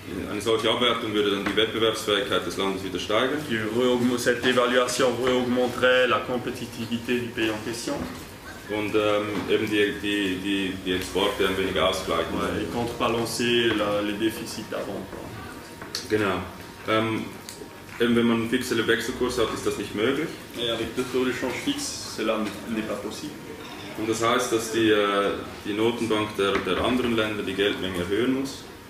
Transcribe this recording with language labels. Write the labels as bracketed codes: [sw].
[de] Eine solche Abwertung würde dann die Wettbewerbsfähigkeit des Landes wieder steigern. [fr] Cette évaluation augmenterait la compétitivité du pays en question. [de] Und eben die Exporte ein wenig ausgleichen. [fr] Et contrebalancer les déficits d'avant. [de] Genau. Eben wenn man einen fixen Wechselkurs hat, ist das nicht möglich. [fr] Et avec deux taux de change fixe, cela n'est pas possible. [de] Und das heißt, dass die Notenbank der anderen Länder die Geldmenge erhöhen muss.